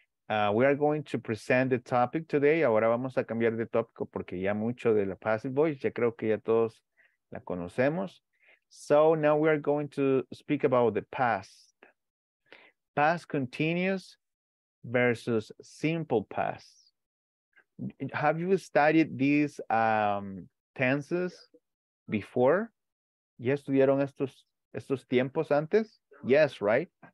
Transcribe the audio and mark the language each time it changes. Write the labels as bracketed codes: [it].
[en] We are going to present the topic today. [es] Ahora vamos a cambiar de tópico porque ya mucho de la passive voice, ya creo que ya todos la conocemos. [en] So now we are going to speak about the past. Past continuous versus simple past. Have you studied these tenses before? [es] ¿Ya estudiaron estos tiempos antes? [en] Yes, right?